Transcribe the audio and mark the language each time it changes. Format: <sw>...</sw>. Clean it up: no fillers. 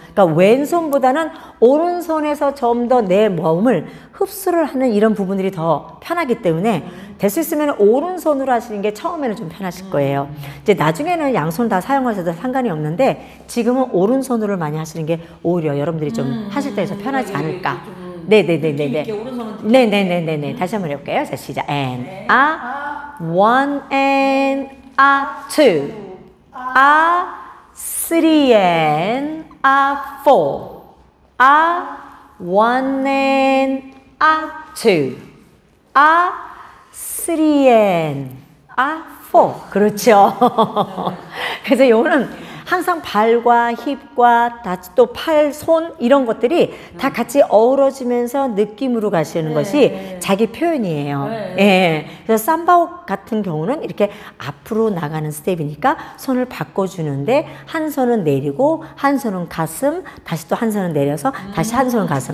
<ko>그러니까, 왼손보다는 오른손에서 좀 더 내 몸을 흡수를 하는 이런 부분들이 더 편하기 때문에, 될 수 있으면 오른손으로 하시는 게 처음에는 좀 편하실 거예요. 이제 나중에는 양손 다 사용하셔도 상관이 없는데, 지금은 오른손으로 많이 하시는 게 오히려 여러분들이 좀 하실 때에서 편하지 않을까. 네네네네네. 네네네네네. 다시 한번 해볼게요. 자, 시작.</ko> <en>And a one and a two, a three and a four, a one and a two, a three and a four.</en> <ko>그렇죠. 그래서 요거는 항상 발과 힙과 또 팔, 손 이런 것들이 다 같이 어우러지면서 느낌으로 가시는 네, 것이 네. 자기 표현이에요. 네, 네. 네. 그래서 쌈바옥 같은 경우는 이렇게 앞으로 나가는 스텝이니까 손을 바꿔주는데 한 손은 내리고 한 손은 가슴, 다시 또 한 손은 내려서 다시 한 손은 가슴.</ko>